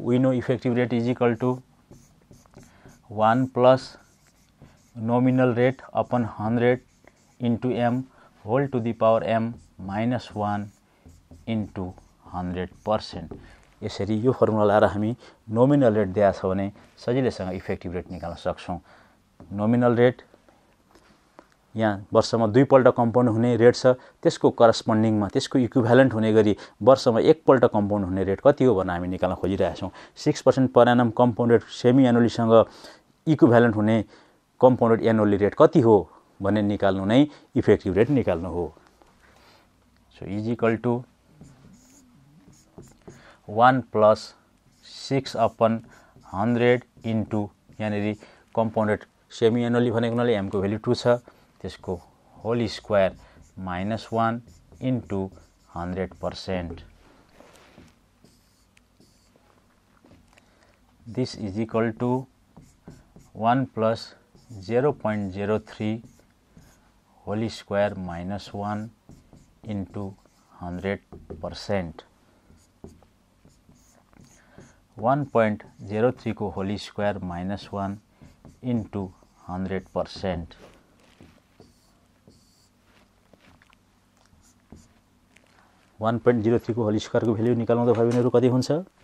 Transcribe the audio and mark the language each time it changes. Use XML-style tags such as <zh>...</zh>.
<en>We know effective rate is equal to 1 plus nominal rate upon 100 into M whole to the power M minus 1 into 100%.</en> <ne>यसरी यो formula लगाएर हामी nominal rate दिएको छ भने सजिलैसँग इफेक्टिभ रेट निकाल्न सक्छौँ. नोमिनल रेट यहाँ वर्षमा दुईपल्ट कम्पाउन्ड हुने रेट छ, त्यसको करस्पोन्डिङमा त्यसको इक्विभ्यालेन्ट हुने गरी वर्षमा एकपल्ट कम्पाउन्ड हुने रेट कति हो भनेर हामी निकाल्न खोजिरहेछौँ. 6% per annum compound rate semi एनुअलीसँग equivalent हुने कम्पाउन्ड एनुअली रेट कति हो भन्ने निकाल्नु नै इफेक्टिभ रेट निकाल्नु हो.</ne> <en>so is equal to 1 + 6/100 into</en> <ne>यहाँनिर कम्पाउन्डेड सेमी एनुअली भनेको हुनाले एमको भेल्यु 2 छ, त्यसको</ne> <en>Whole square minus 1 into 100%. This is equal to 1 + 0.03 whole square minus 1 into 100%. 1.03 को whole square minus 1 into 100%.</en> <ne>One point zero थ्रीको whole स्क्वायरको value निकाल्नुहुँदा भयो भनेहरू कति हुन्छ?</ne>